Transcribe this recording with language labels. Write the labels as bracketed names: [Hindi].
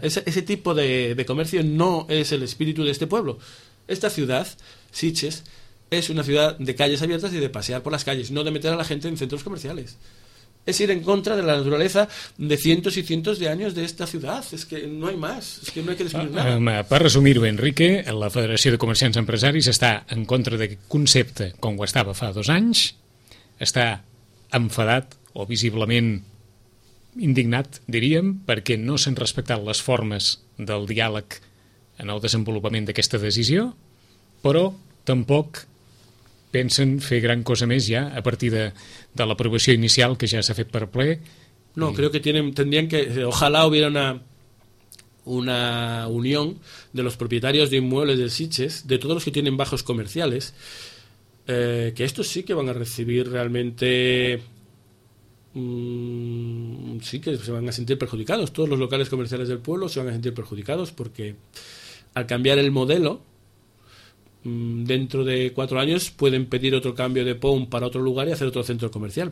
[Spanish] Ese tipo de comercio no es el espíritu de este pueblo. Esta ciudad, Sitges, es una ciudad de calles abiertas y de pasear por las calles, no de meter a la gente en centros comerciales. Es ir en contra de la naturaleza de cientos y cientos de años de esta ciudad. Es que no hay más, es que no hay que descubrir nada. [Catalan] Per resumir-ho, Enrique, la Federació de Comerciants Empresaris està en contra d'aquest concepte com ho estava fa dos anys, està enfadat o visiblement indignat, diríem, perquè no s'han respectat les formes del diàleg en el desenvolupament d'aquesta decisió, però tampoc pensen fer gran cosa més ja a partir de l'aprovació inicial que ja s'ha fet per ple. [Spanish] No, creo que tendrían que, ojalá hubiera una unión de los propietarios de inmuebles de Sitges, de todos los que tienen bajos comerciales, que estos sí que van a recibir realmente, sí que se van a sentir perjudicados, todos los locales comerciales del pueblo se van a sentir perjudicados porque al cambiar el modelo, dentro de cuatro años pueden pedir otro cambio de POM para otro lugar y hacer otro centro comercial.